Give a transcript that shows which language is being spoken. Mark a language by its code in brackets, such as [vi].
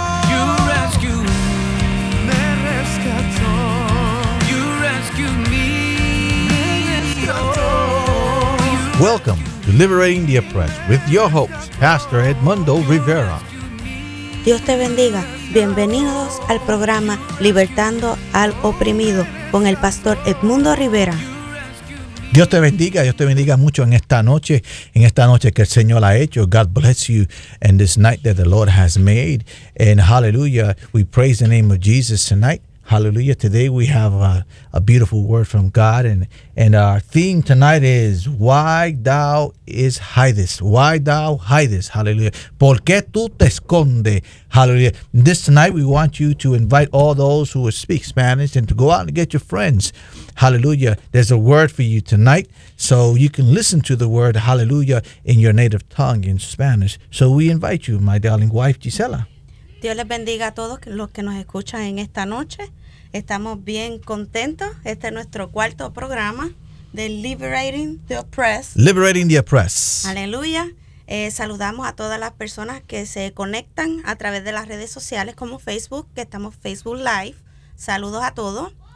[en] You rescue me, [es] me rescató. [en] You rescue me, [es] me rescató. [en] Welcome to Liberating the Oppressed with your host, Pastor Edmundo Rivera. [es] Dios te bendiga. Bienvenidos al programa Libertando al Oprimido con el Pastor Edmundo Rivera. Dios te bendiga. Dios te bendiga mucho en esta noche que el Señor ha hecho. [en] God bless you in this night that the Lord has made. And hallelujah, we praise the name of Jesus tonight. Hallelujah. Today we have a beautiful word from God. And our theme tonight is, why thou is hidest. Why thou hidest. Hallelujah. [es] ¿Por qué tú te escondes? [en] Hallelujah. This tonight we want you to invite all those who speak Spanish and to go out and get your friends. Hallelujah. There's a word for you tonight. So you can listen to the word, hallelujah, in your native tongue in Spanish. So we invite you, my darling wife, Gisela. [es] Dios les bendiga a todos los que nos escuchan en esta noche. Estamos bien contentos. Este es nuestro cuarto programa de Liberating the Oppressed. [en] Liberating the Oppressed. [es] Aleluya. Saludamos a todas las personas que se conectan a través de las redes sociales como Facebook, que estamos Facebook Live. Saludos a todos.